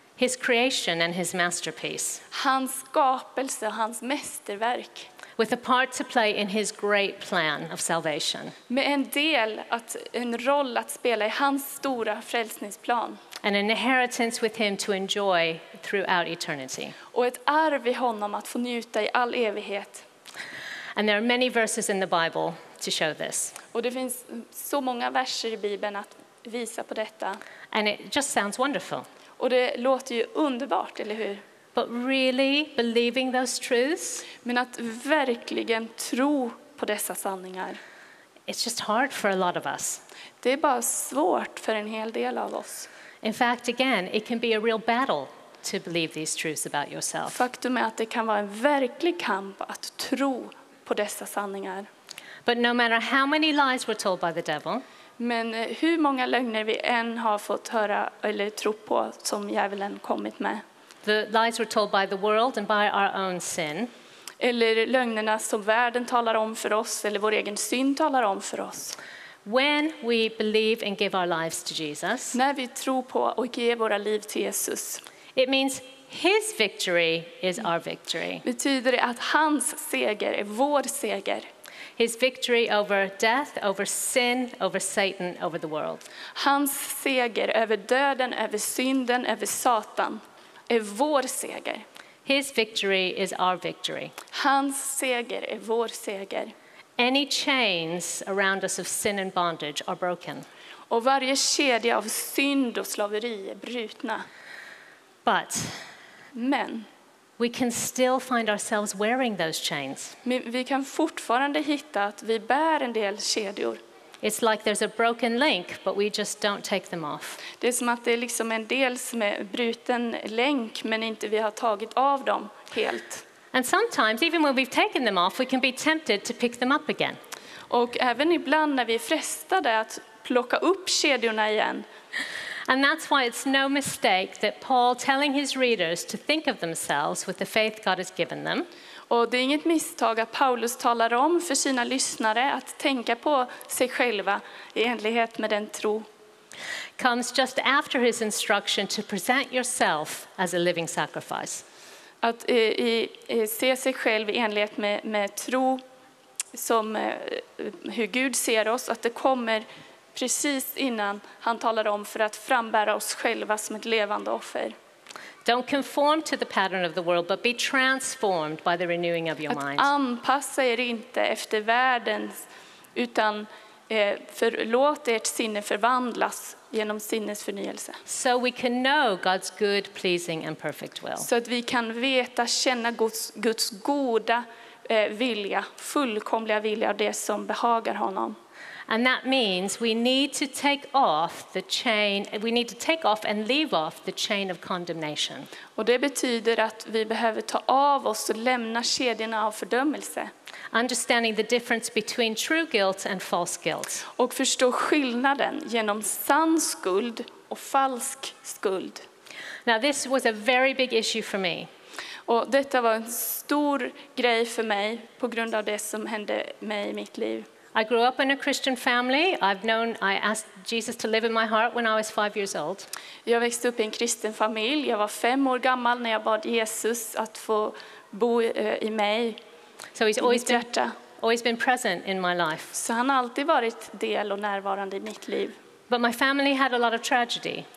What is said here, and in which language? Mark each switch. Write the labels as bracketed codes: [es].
[en] His creation and his masterpiece. [sv] Hans skapelse, hans mästerverk. [en] with a part to play in his great plan of salvation. [sv] Med en del att en roll att spela I hans stora frälsningsplan. [en] And an inheritance with him to enjoy throughout eternity. [sv] Och ett arv I honom att få njuta I all evighet. [en] And there are many verses in the Bible to show this. [sv] Och det finns så många verser I Bibeln att visa på detta. [en] And it just sounds wonderful. [sv] Och det låter ju underbart, eller hur? [en] But really believing those truths, [sv] men att verkligen tro på dessa sanningar. [en] It's just hard for a lot of us. [sv] Det är bara svårt för en hel del av oss. [en] In fact, again, it can be a real battle to believe these truths about yourself. [sv] Faktum är att det kan vara en verklig kamp att tro på dessa sanningar. [en] But no matter how many lies we're told by the devil, [sv] men hur många lögner vi än har fått höra eller tro på som djävulen kommit med. [en] The lies we're told by the world and by our own sin. [sv] Eller lögnerna som världen talar om för oss eller vår egen synd talar om för oss. [en] When we believe and give our lives to Jesus. [sv] När vi tror på och ger våra liv till Jesus. [en] It means his victory is our victory. [sv] Betyder det att hans seger är vår seger. [en] His victory over death, over sin, over Satan, over the world. [sv] Hans seger över döden, över synden, över Satan är vår seger. [en] His victory is our victory. [sv] Hans seger är vår seger. [en] Any chains around us of sin and bondage are broken. [sv] Och varje kedja av synd och slaveri är brutna. [en] But [sv] men [en] we can still find ourselves wearing those chains. [sv] Men vi kan fortfarande hitta att vi bär en del kedjor. [en] It's like there's a broken link, but we just don't take them off. [sv] Det är som att det är liksom en del som är bruten länk, men inte vi har tagit av dem helt. [en] And sometimes, even when we've taken them off, we can be tempted to pick them up again. [sv] Och även ibland när vi är frestade att plocka upp kedjorna igen. [en] And that's why it's no mistake that Paul telling his readers to think of themselves with the faith God has given them. [sv] Och det är inget misstag att Paulus talar om för sina lyssnare att tänka på sig själva I enlighet med den tro. [en] Comes just after his instruction to present yourself as a living sacrifice. [sv] Att se sig själv I enlighet med tro som hur Gud ser oss, att det kommer precis innan han talar om för att frambära oss själva som ett levande offer. [en] Don't conform to the pattern of the world, but be transformed by the renewing of your mind. [sv] Att anpassa er inte efter världens, utan förlåt ert sinne förvandlas genom sinnes förnyelse. [en] So we can know God's good, pleasing and perfect will. [sv] Så att vi kan veta, känna Guds goda vilja, fullkomliga vilja av det som behagar honom. [en] And that means we need to take off the chain, we need to take off and leave off the chain of condemnation. [sv] Och det betyder att vi behöver ta av oss och lämna kedjorna av fördömelse. [en] Understanding the difference between true guilt and false guilt. [sv] Och förstå skillnaden genom sann skuld och falsk skuld. [en] Now this was a very big issue for me. [sv] Och detta var en stor grej för mig på grund av det som hände mig I mitt liv. [en] I grew up in a Christian family. I asked Jesus to live in my heart when I was 5 years old. [sv] Jag växte upp I en kristen familj. Jag var 5 år gammal när jag bad Jesus att få bo I mig. [en] So he's always been present in my life. [sv] Så han har alltid varit del och närvarande I mitt liv. [en] But my family had a lot of tragedy.